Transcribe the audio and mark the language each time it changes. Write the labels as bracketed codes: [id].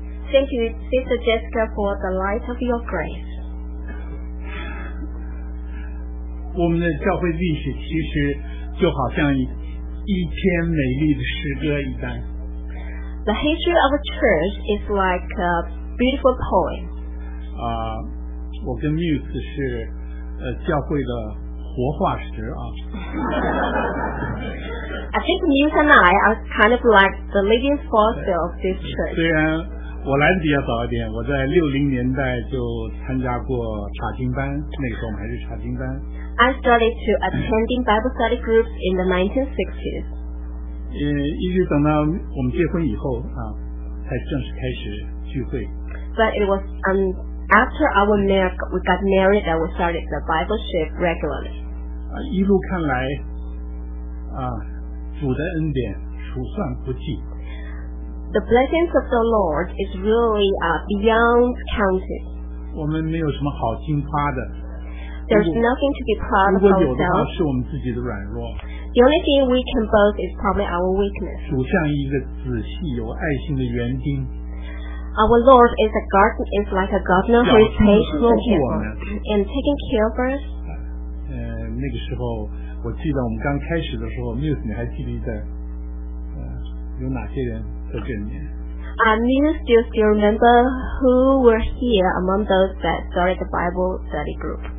[en] Thank you, Sister Jessica, for the light of your grace. [zh] 我们的教会历史其实就好像一篇美丽的诗歌一般。 [en] The history of a church is like a beautiful poem. [zh] 我跟 Muse 是教会的活化石啊。 [en] I think Muse and I are kind of like the living fossil of this church. [zh] 虽然我来的比较早一点，我在60年代就参加过查经班，那个时候我们还是查经班。 [en] I started to attending Bible study groups in the 1960s. [zh] 一直等到我们结婚以后啊，才正式开始聚会。 [en] But it was after our marriage, we got married that we started the Bible trip regularly. [zh] 一路看来，主的恩典数算不计。 [en] The blessings of the Lord is really beyond counting. [zh] 我们没有什么好惊夸的。 [en] There's nothing to be proud of ourselves. [zh] 如果有的话，是我们自己的软弱。 [en] The only thing we can boast is probably our weakness. [zh] 主像一个仔细有爱心的园丁。 [en] Our Lord is a garden, is like a gardener who is patient and careful and taking care of us. [zh] 那个时候，我记得我们刚开始的时候 ，Muse， 你还记得有哪些人？ [en] Do you still remember who were here among those that started the Bible study group?